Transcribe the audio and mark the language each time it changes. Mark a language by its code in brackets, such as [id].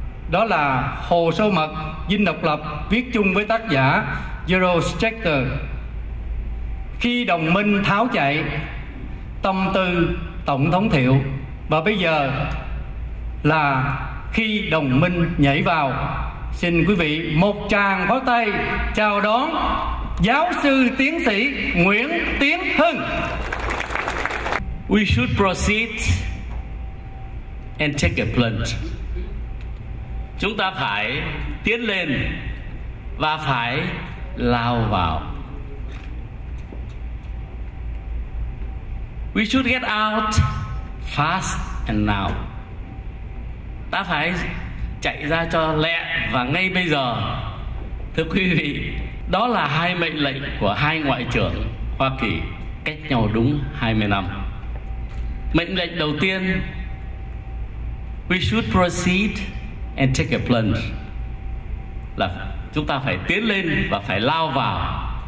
[vi] Đó là Hồ Sơ Mật, Dinh Độc Lập, viết chung với tác giả Eurostrecker, Khi Đồng Minh Tháo Chạy, Tâm Tư Tổng Thống Thiệu, và bây giờ là Khi Đồng Minh Nhảy Vào. Xin quý vị một tràng pháo tay chào đón Giáo sư Tiến sĩ Nguyễn Tiến Hưng. [en] We should proceed and take a plunge. [vi] Chúng ta phải tiến lên và phải lao vào. [en] We should get out fast and now. [vi] Ta phải chạy ra cho lẹ và ngay bây giờ. Thưa quý vị, đó là 2 mệnh lệnh của 2 ngoại trưởng Hoa Kỳ cách nhau đúng 20 năm. Mệnh lệnh đầu tiên, [en] we should proceed and take a plunge, [vi] là chúng ta phải tiến lên và phải lao vào.